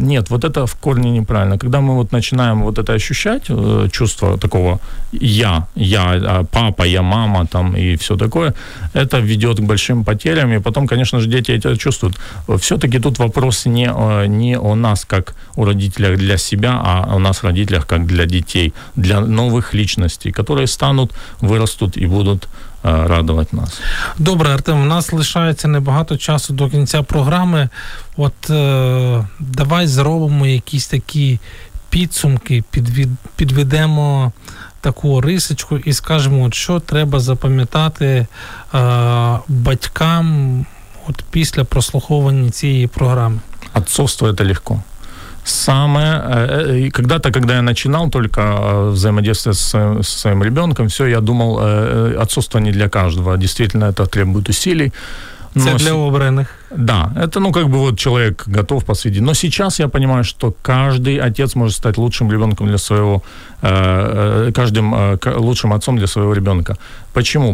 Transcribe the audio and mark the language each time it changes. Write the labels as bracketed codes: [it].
[ru] Нет, вот это в корне неправильно. Когда мы вот начинаем вот это ощущать, чувство такого «я», «папа», «я мама» там и все такое, это ведет к большим потерям, и потом, конечно же, дети это чувствуют. Все-таки тут вопрос не о нас, как у родителях для себя, а у нас родителях как для детей, для новых личностей, которые станут, вырастут и будут радовать нас. [uk] Добре, Артем, у нас лишається небагато часу до кінця програми. От давай зробимо якісь такі підсумки, підведемо таку рисочку і скажемо, от що треба запам'ятати батькам от після прослуховування цієї програми. [ru] Отцовство – це легко. Самое, когда-то, когда я начинал только взаимодействие со своим ребенком, все, я думал, отцовство не для каждого, действительно, это требует усилий. Это для обранных. Да, это, ну, как бы вот человек готов посвятить. Но сейчас я понимаю, что каждый отец может стать лучшим ребенком для своего, каждым лучшим отцом для своего ребенка. Почему?